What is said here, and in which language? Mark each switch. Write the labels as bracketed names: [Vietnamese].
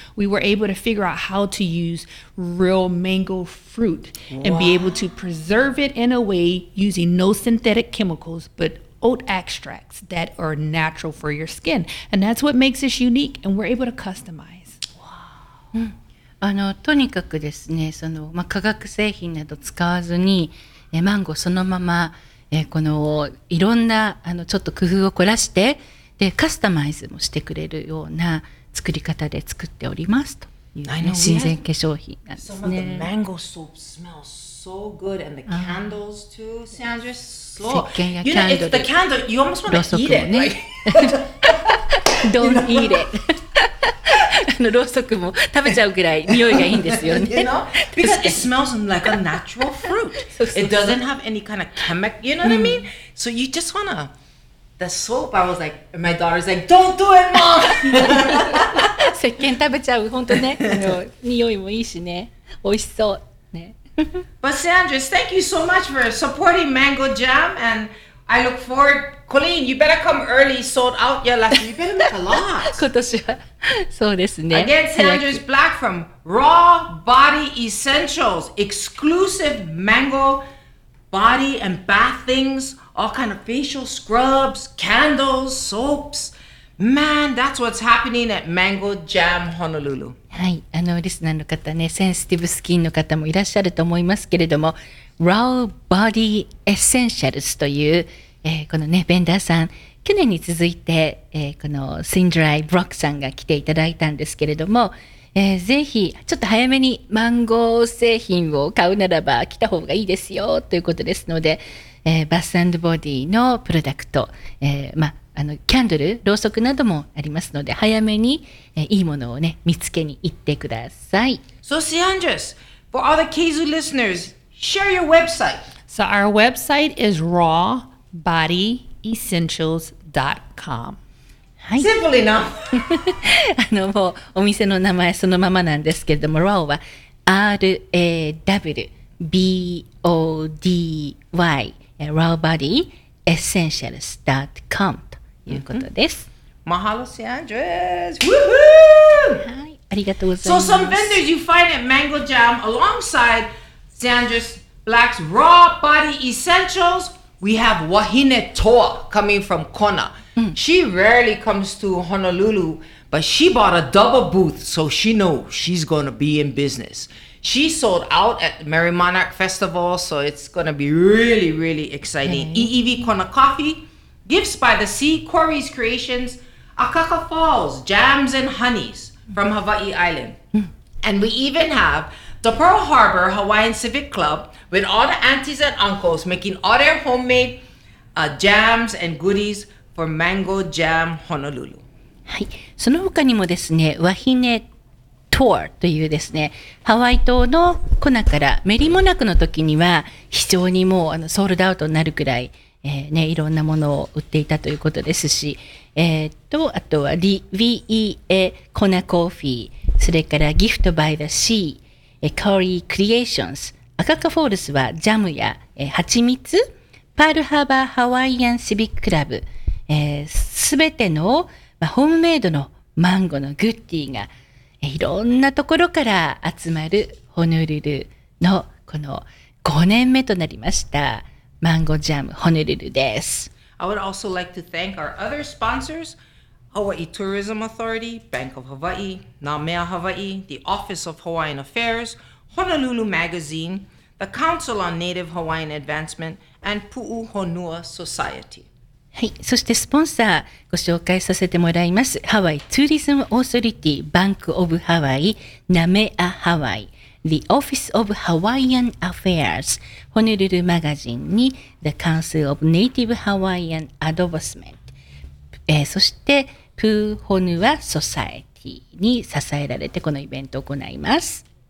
[English] We were able to figure out how to use real mango fruit and be able to preserve it in a way using no synthetic chemicals, but oat extracts that are natural for your skin. And that's what makes us unique, and we're able to customize. Wow. [Japanese] あの、とにかくですね、その、まあ、化学製品など使わずに、マンゴーそのまま、このいろんなあのちょっと工夫を凝らしてで、カスタマイズもしてくれるような作り方で作っておりますと。 [English] I know. Some of the mango soap smells so good, and the candles too. Sandra, slow. You know, it's the candle. You almost want to eat it, right? Don't eat it. [Japanese] のろうそくも食べちゃうぐらい匂いがいいんですよね。 [English] You know? Because it smells like a natural fruit. It doesn't have any kind of chemical. You know what I mean? So you just wanna the soap. I was like, my daughter's like, don't do it, mom. [Japanese] 石鹸食べちゃう、本当ね、匂いもいいしね、美味しそうね。 [English] But Sandra, thank you so much for supporting Mango Jam, and I look forward. Colleen, you better come early, sold out. Yeah, last you've been making a lot. [Japanese] 今年はそうですね。 [English] Again, Sandra's Black from Raw Body Essentials, exclusive mango body and bath things, all kind of facial scrubs, candles, soaps. Man, that's what's happening at Mango Jam Honolulu. [Japanese] はい、あのリスナーの方ね、センシティブスキンの方もいらっしゃると思いますけれども、Raw Body Essentials という、このね、ベンダーさん、去年に続いて、このシンドライ・ブロックさんが来ていただいたんですけれども、ぜひちょっと早めにマンゴー製品を買うならば来た方がいいですよということですので、バス&ボディのプロダクト、まああのキャンドル、ろうそくなどもありますので、早めに、いいものをね、見つけに行ってください。 [English] So, Sandra's, for all the Keizu listeners, share your website. So, our website is rawbodyessentials.com. はい。Simple enough. [Japanese] あの、もう、お店の名前そのままなんですけれども、raw は rawbody, rawbodyessentials.com. ということです。マハロシアンドレス。はい、ありがとうございます。 [English] So some vendors you find at Mango Jam alongside Sandra's Black's Raw Body Essentials, we have Wahine Toa coming from Kona. Mm. She rarely comes to Honolulu, but she bought a double booth, so she knows she's going to be in business. She sold out at Merry Monarch Festival, so it's going to be really, really exciting. Okay. EEV Kona Coffee, Gifts by the Sea, Corey's Creations, Akaka Falls, Jams and Honeys from Hawaii Island. And we even have the Pearl Harbor Hawaiian Civic Club with all the aunties and uncles making all their homemade jams and goodies for Mango Jam Honolulu. [Japanese] はい、その他にもですね、ワヒネトアというですね、ハワイ島のコナからメリモナクの時には非常にもうソールドアウトになるくらい、ね、いろんなものを売っていたということですし、あとはリ・ヴィ・イ・エ・コナ・コーヒー、それからギフト・バイ・ザ・シー、カーリー・クリエーションズ、アカカ・フォールスはジャムや、蜂蜜、パール・ハーバー・ハワイアン・シビック・クラブ、すべての、まあ、ホームメイドのマンゴーのグッディが、いろんなところから集まるホノルルのこの5年目となりました。マンゴージャムホノルルです。 [English] I would also like to thank our other sponsors, Hawaii Tourism Authority, Bank of Hawaii, Namea Hawaii, the Office of Hawaiian Affairs, Honolulu Magazine, the Council on Native Hawaiian Advancement, and Pu'u Honua Society. [Japanese] はい、そしてスポンサーご紹介させてもらいます。 [English] Hawaii Tourism Authority, Bank of Hawaii, Namea Hawaii. [Japanese] The Office of Hawaiian Affairs, Honolulu Magazine に The Council of Native Hawaiian Advancement、そして Puhonua Society に支えられてこのイベントを行います。